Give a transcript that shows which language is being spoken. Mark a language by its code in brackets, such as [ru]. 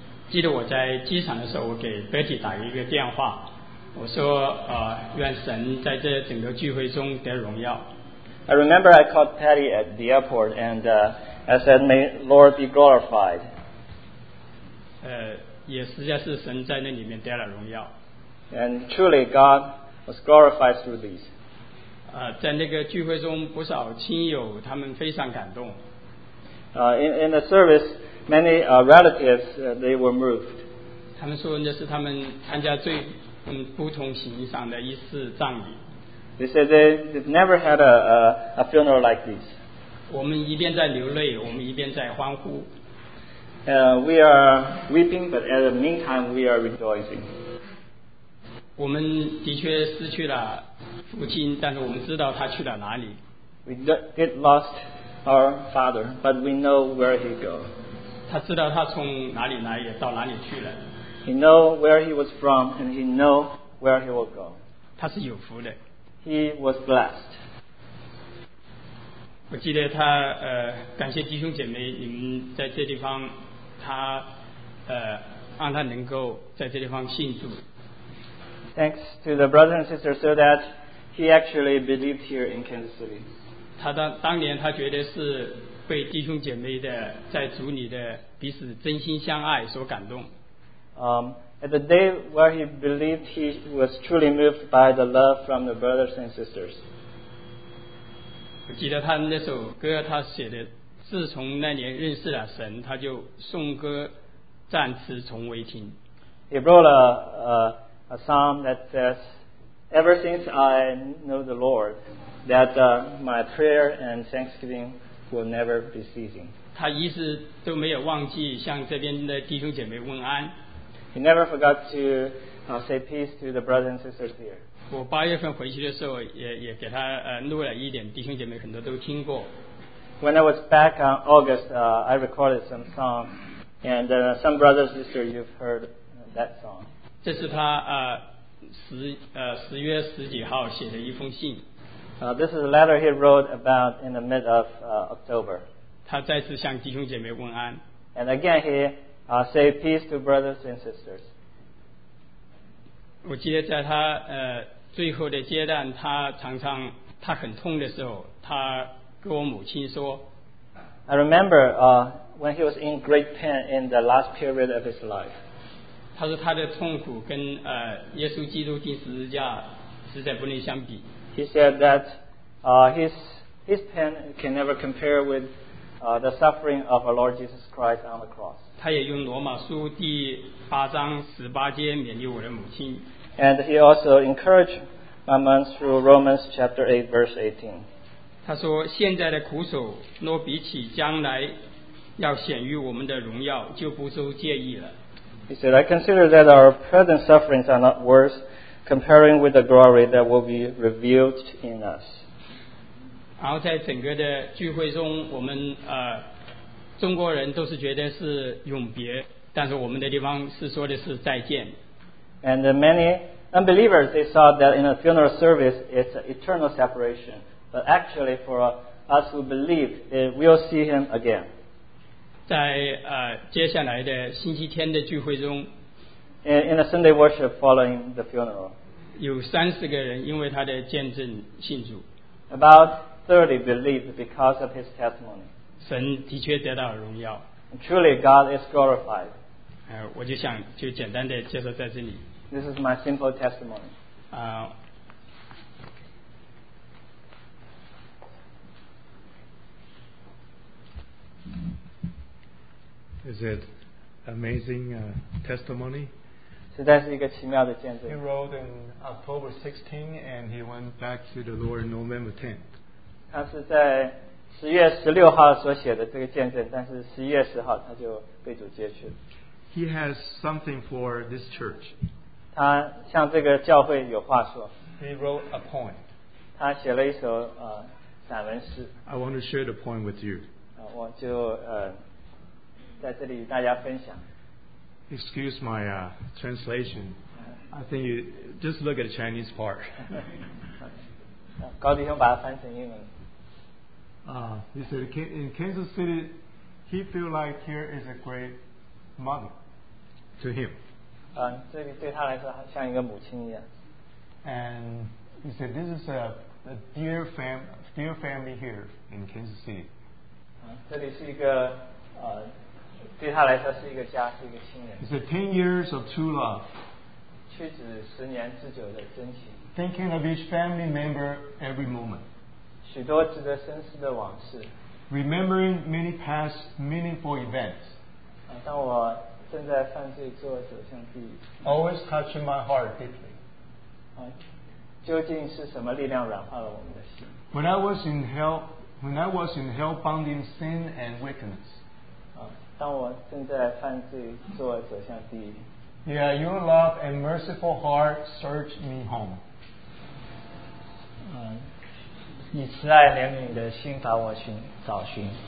[zh] 记得我在机场的时候，我给 Betty 打一个电话，我说愿神在这整个聚会中得荣耀。 [en] I remember I called Patty at the airport and I said, May Lord be glorified. [zh] 也实在是神在那里面得了荣耀。 [en] And truly God was glorified through these. [zh] 在那个聚会中不少亲友他们非常感动。 [en] In the service, many relatives, they were moved. [zh] 他们说那是他们参加最不同形式上的一次葬礼。 [en] They said they've never had a funeral like this. [zh] 我们一边在流泪，我们一边在欢呼。 [en] We are weeping, but at the meantime, we are rejoicing. [zh] 我们的确失去了父亲，但是我们知道他去了哪里。 [en] We did lost our father, but we know where he go. [zh] 他知道他从哪里来，也到哪里去了。 [en] He know where he was from, and he know where he will go. [zh] 他是有福的。 [en] He was blessed. [zh] 我记得他感谢弟兄姐妹，你们在这地方，他让他能够在这地方信主。 [en] Thanks to the brothers and sisters, so that he actually believed here in Kansas City. [zh] 他当年他觉得是被弟兄姐妹的在主里的彼此真心相爱所感动。 [en] At the day where he believed, he was truly moved by the love from the brothers and sisters. [zh] 我记得他那首歌，他写的，自从那年认识了神，他就颂歌赞词从未停。 [en] He wrote a psalm that says, "Ever since I know the Lord, that my prayer and thanksgiving will never be ceasing." [zh] 他一直都没有忘记向这边的弟兄姐妹问安。 [en] He never forgot to say peace to the brothers and sisters here. [zh] 我八月份回去的时候也给他录了一点，弟兄姐妹很多都听过。 [en] When I was back on August, I recorded some song, and some brothers and sisters, you've heard that song. [zh] 这是他10月10几号写的一封信。 [en] This is a letter he wrote about in the mid of October. [zh] 他再次向弟兄姐妹问安。 [en] And again he say peace to brothers and sisters. [zh] 我记得在他最后的阶段，他常常他很痛的时候，他跟我母亲说。 [en] I remember when he was in great pain in the last period of his life. [zh] 他说他的痛苦跟耶稣基督钉十字架实在不能相比。 [en] He said that his pain can never compare with the suffering of our Lord Jesus Christ on the cross. [zh] 他也用罗马书第八章十八节勉励我的母亲。 [en] And he also encouraged my mom through Romans chapter 8 verse 18. [zh] 他说现在的苦楚若比起将来要显于我们的荣耀就不受介意了。 [en] He said, I consider that our present sufferings are not worse comparing with the glory that will be revealed in us. [zh] 然后在整个的聚会中我们中国人都是觉得是永别，但是我们的地方是说的是再见。 [en] And many unbelievers, they saw that in a funeral service, it's an eternal separation. But actually, for us who believe, we will see him again. [zh] 在接下来的星期天的聚会中 [en] in a Sunday worship following the funeral, [zh] 有三十个人因为他的见证信主。 [en] About 30 believed because of his testimony. [zh] 神的确得到荣耀。 [en] And truly, God is glorified. [zh] 我就想就简单的介绍在这里。 [en] This is my simple testimony. 啊。 Is it amazing testimony? [zh] 实在是一个奇妙的见证。 [en] He wrote in October 16 and he went back to the Lord November 10th. [zh] 他是在十月十六号所写的这个见证，但是十一月十号他就被主接去了。 [en] He has something for this church. [zh] 他向这个教会有话说。 [en] He wrote a poem. [zh] 他写了一首散文诗。 [en] I want to share the poem with you. [zh] 我就在这里与大家分享。 [en] Excuse my translation. I think you just look at the Chinese part. [zh] 高弟兄把它翻成英文。 [en] He said in Kansas City, he feels like here is a great mother. To him. [zh] 这个对他来说像一个母亲一样。 [en] And he said, this is a dear family here in Kansas City. [zh] 这里是一个对他来说是一个家，是一个亲人。 [en] He said, 10 years of true love. [zh] 屈指十年之久的真情。 [en] Thinking of each family member every moment. [zh] 许多值得深思的往事。 [en] Remembering many past meaningful events. [zh] 当我正在犯罪做走向地狱。 [en] Always touching my heart deeply. [zh] 究竟是什么力量软化了我们的心？ [en] When I was in hell bounding sin and wickedness. [zh] 当我正在犯罪做走向地狱。 [en] Yeah, your love and merciful heart searched me home. [zh] 你慈爱怜悯的心把我找寻。